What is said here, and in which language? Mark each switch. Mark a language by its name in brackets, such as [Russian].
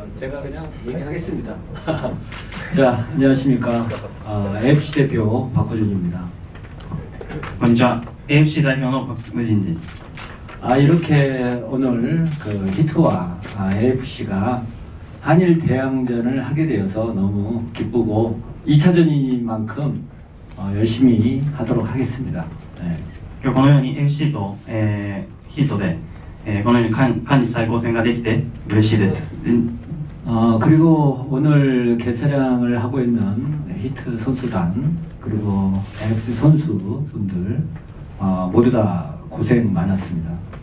[Korean] 제가그냥얘기하겠습니다 자안녕하십니까 FC 대표박호준입니다 [Japanese] こんにちは AFC 代表の박무진입니다 [Korean] 아이렇게오늘그히트와 AFC 가한일대항전을하게되어서너무기쁘고2차전인만큼열심히하도록하겠습니다 [Japanese] 네このように AFC とヒートでこのように韓日対抗戦ができて嬉しいです。 [Korean] 그리고오늘개차량을하고있는히트선수단그리고 FC 선수분들 모두다고생많았습니다